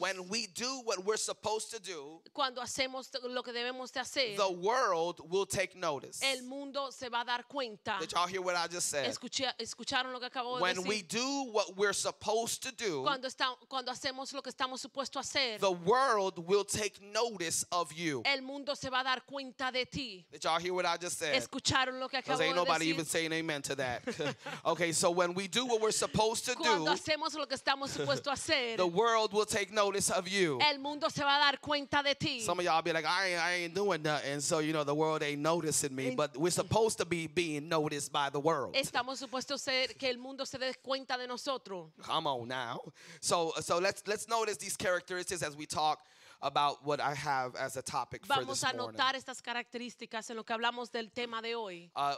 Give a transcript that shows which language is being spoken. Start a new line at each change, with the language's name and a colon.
English: when we do what we're supposed to do,
Spanish: cuando hacemos lo que debemos de hacer,
English: the world will take notice.
Spanish: El mundo se va a dar cuenta.
English: Did y'all hear what I just said?
Spanish: Escucharon lo que acabo
English: when
Spanish: de decir.
English: We do what we're supposed to do,
Spanish: cuando hacemos lo que estamos supuesto a hacer,
English: the world will take notice of you.
Spanish: El mundo se va a dar cuenta de ti.
English: Did y'all hear what I just said?
Spanish: Escucharon lo que acabo de decir.
English: Ain't nobody
Spanish: decir.
English: Even saying amen to that. Okay, so when we do what we're supposed to
Spanish: cuando
English: do,
Spanish: hacemos lo que estamos supuesto a hacer,
English: the world will take notice of you.
Spanish: El mundo se va a dar cuenta de ti.
English: Some of y'all be like, I ain't doing nothing, so you know the world ain't noticing me. But we're supposed to be being noticed by the world.
Spanish: Estamos supuestos a ser que el mundo se dé cuenta de nosotros.
English: Come on now. So let's notice these characteristics as we talk about what I have as a topic for
Spanish: Vamos
English: this
Spanish: a notar
English: morning.
Spanish: Estas características en lo que hablamos del tema de hoy.